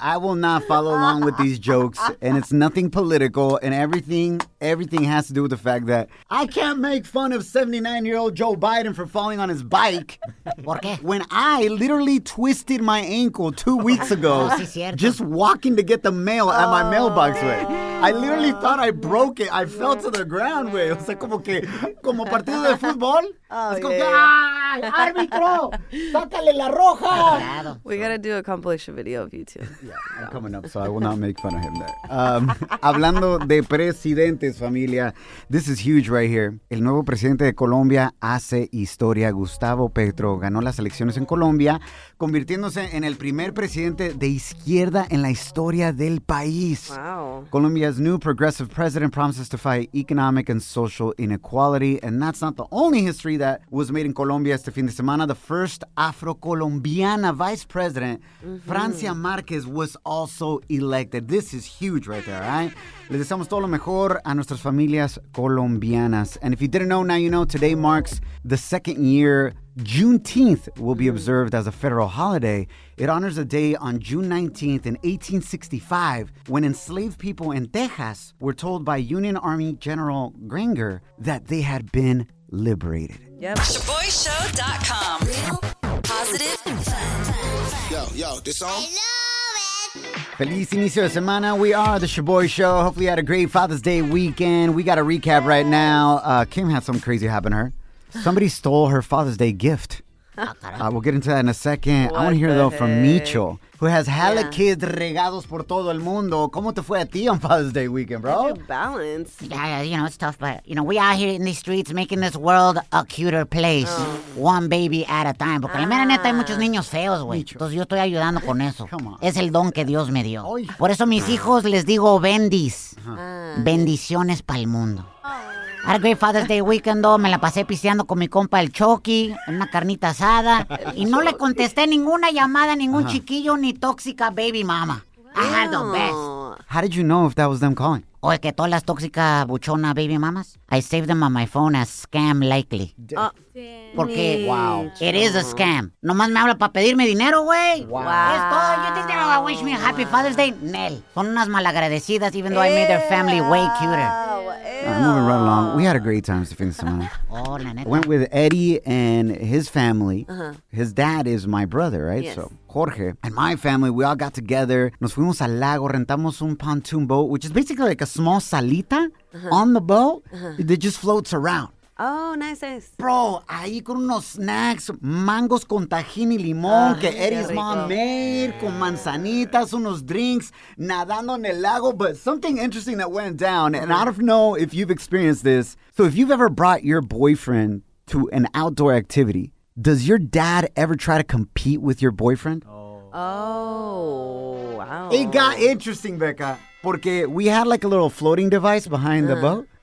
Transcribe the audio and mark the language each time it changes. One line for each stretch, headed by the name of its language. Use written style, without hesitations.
English: I will not follow along with these jokes, and it's nothing political, and everything has to do with the fact that I can't make fun of 79-year-old Joe Biden for falling on his bike.
Spanish: ¿Por qué?
English: When I literally twisted my ankle 2 weeks ago just walking to get the mail at my mailbox way. I literally thought I broke it. I fell to the ground way.
Spanish: O sea, como que, como partido de fútbol. Oh, árbitro, sácale la roja.
English: We gotta do a compilation video of you two. Yeah, I'm coming up, so I will not make fun of him there.
Spanish: Hablando de presidentes, familia,
English: this is huge right here.
Spanish: El nuevo presidente de Colombia hace historia. Gustavo Petro ganó las elecciones en Colombia, convirtiéndose en el primer presidente de izquierda en la historia del país.
English: Wow. Colombia's new progressive president promises to fight economic and social inequality, and that's not the only history that was made in Colombia
Spanish: este fin de semana.
English: The first Afro-Colombiana vice president, Francia Márquez, was also elected. This is huge right there, right?
Spanish: Les deseamos todo lo mejor a nuestras familias colombianas.
English: And if you didn't know, now you know, today marks the second year. Juneteenth will be observed as a federal holiday. It honors a day on June 19th in 1865 when enslaved people in Texas were told by Union Army General Granger that they had been liberated. Yep. Shaboyshow.com. Positive. Yo, this song. I love it. Feliz inicio de semana. We are the Shaboy Show. Hopefully you had a great Father's Day weekend. We got a recap right now. Kim had something crazy happen to her. Somebody stole her Father's Day gift. We'll get into that in a second. What I want to hear, though, heck? From Micho, who has hella kids
Spanish: regados por todo el mundo. ¿Cómo te fue a ti
English: on Father's Day weekend, bro? Good balance. Yeah, you know, it's tough, but, you know, we out here in these streets making this world a cuter place. Oh. One baby at a time.
Spanish: Porque la mera neta hay muchos niños feos, güey. Entonces yo estoy ayudando con eso. Es el don que Dios me dio. Oy. Por eso mis hijos les digo bendis. Bendiciones para el mundo.
English: Had a great Father's Day weekend, though.
Spanish: Me la pasé pisteando con mi compa el Chucky, una carnita asada. Y no le contesté ninguna llamada, ningún chiquillo, ni tóxica baby mama.
English: Wow. I had the best. How did you know if that was them calling?
Spanish: Oye, que todas las tóxicas buchona baby mamas,
English: I saved them on my phone as scam likely.
Spanish: Porque, wow,
English: it is a scam.
Spanish: Nomás me habla para pedirme dinero, güey.
English: Wow.
Spanish: Es todo.
English: You think they're gonna wish me a happy Father's Day?
Spanish: Nel. Son unas malagradecidas,
English: even though I made their family way cuter. Moving right along. We had a great time this
Spanish: fin de semana. Oh, la neta.
English: Went with Eddie and his family. Uh-huh. His dad is my brother, right? Yes. So Jorge and my family, we all got together.
Spanish: Nos fuimos al lago, rentamos un
English: pontoon boat, which is basically like a small salita on the boat that just floats around. Oh, nice, nice.
Spanish: Bro, ahí con unos snacks, mangos con tajín y limón que
English: Eddie's mom made,
Spanish: con manzanitas, unos drinks, nadando en el lago.
English: But something interesting that went down, and I don't know if you've experienced this. So if you've ever brought your boyfriend to an outdoor activity, does your dad ever try to compete with your boyfriend? Oh, wow. It got interesting, Becca, porque we had like a little floating device behind the boat.